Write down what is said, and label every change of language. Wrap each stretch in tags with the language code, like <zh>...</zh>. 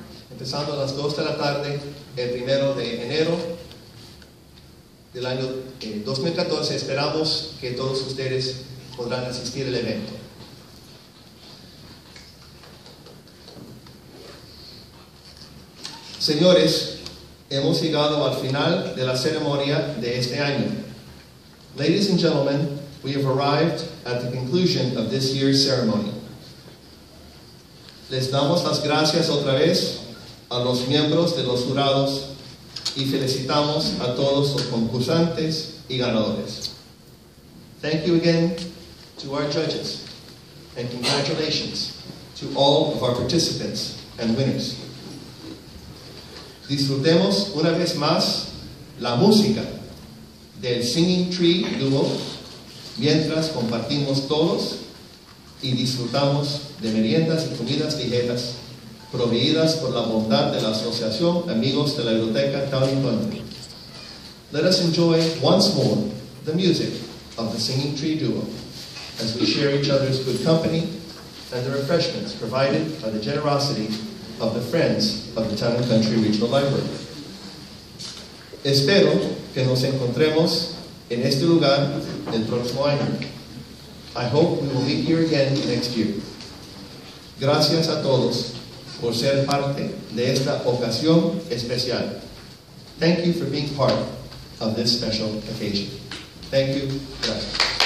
<es>Empezando a las 2 de la tarde, el 1 de enero del año 2014, esperamos que todos ustedes podrán asistir al evento. Señores, hemos llegado al final de la ceremonia de este año.</es> <en>Ladies and gentlemen, we have arrived at the conclusion of this year's ceremony.</en> <es>Les damos las gracias otra vez a los miembros de los jurados y felicitamos a todos los concursantes y ganadores.</es> <en>Thank you again to our judges and congratulations to all of our participants and winners.</en> <es>Disfrutemos una vez más la música del Singing Tree Duo mientras compartimos todos y disfrutamos de meriendas y comidas ligeras proveídas por la bondad de la Asociación Amigos de la Biblioteca Taliban.</es> <en>Let us enjoy once more the music of the Singing Tree Duo as we share each other's good company and the refreshments provided by the generosity of the Friends of the Town and Country Regional Library.</en> <es>Espero que nos encontremos en este lugar el próximo año.</es> <en>I hope we will meet here again next year.</en> <es>Gracias a todos por ser parte de esta ocasión especial.</es> <en>Thank you for being part of this special occasion. Thank you. Gracias.</en>